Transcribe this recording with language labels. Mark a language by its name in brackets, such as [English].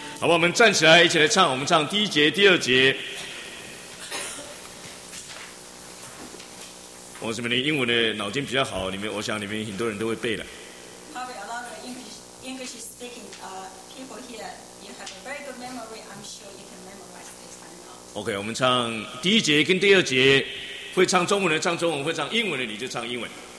[Chinese] 好吧，我们站起来一起来唱，我们唱第一节第二节。我这边的英文的脑筋比较好，你们我想你们很多人都会背的。 [English] Probably a lot of English speaking people here, you have a very good memory, I'm sure you can memorize this time. OK, [Chinese] 我们唱第一节跟第二节，会唱中文的唱中文，会唱英文的你就唱英文。